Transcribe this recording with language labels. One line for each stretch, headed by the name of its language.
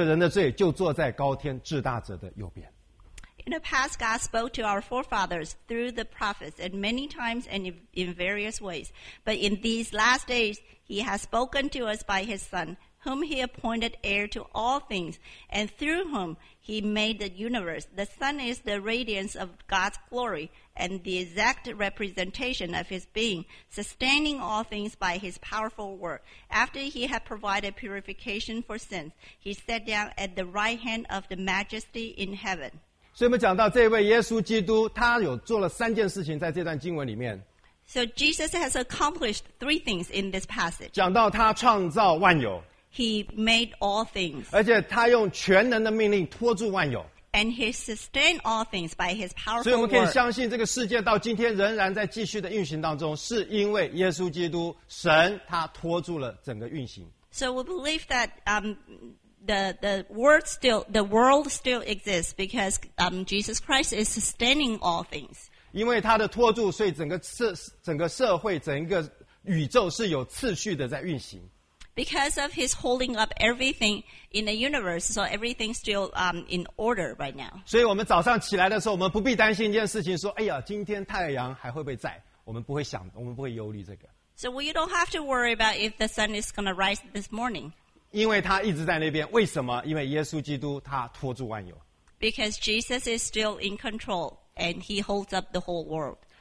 Chinese: 就在这末世借他儿子晓谕我们，又早已立他为承受万有的，也曾借着他创造诸世界。他是神荣耀所发的光辉，是神本体的真相，而且常用他全能的命令托住万有。他洗净了人的罪，就坐在高天至大者的右边。
English: In the past, God spoke to our forefathers through the prophets in many times and in various ways. But in these last days, He has spoken to us by His Son, whom He appointed heir to all things, and through whom He made the universe. The Son is the radiance of God's glory and the exact representation of His being, sustaining all things by His powerful word. After He had provided purification for sins, He sat down at the right hand of the Majesty in heaven.
Chinese: 所以我们讲到这位耶稣基督，他有做了三件事情在这段经文里面。
English: So Jesus has accomplished three things in this passage.
Chinese: 讲到他创造万有。
English: He made all things.
Chinese: 而且他用全能的命令托住万有。
English: And he sustained all things by his powerful word.
Chinese: 所以我们可以相信这个世界到今天仍然在继续的运行当中，是因为耶稣基督神他托住了整个运行。
English: So we believe that the world still exists because Jesus Christ is sustaining all things.
Chinese: 因为他的托住，所以整个社会、整个宇宙是有次序的在运行。
English: Because of his holding up everything in the universe, so everything's still in order right now.
Chinese: 所以我们早上起来的时候，我们不必担心一件事情，说，哎呀，今天太阳还会不会在？我们不会想，我们不会忧虑这个。
English: So you don't have to worry about if the sun is going to rise this morning.
Chinese: 因为他一直在那边，为什么？因为耶稣基督他托住万有。
English: Because Jesus is still in control and he holds up the whole world.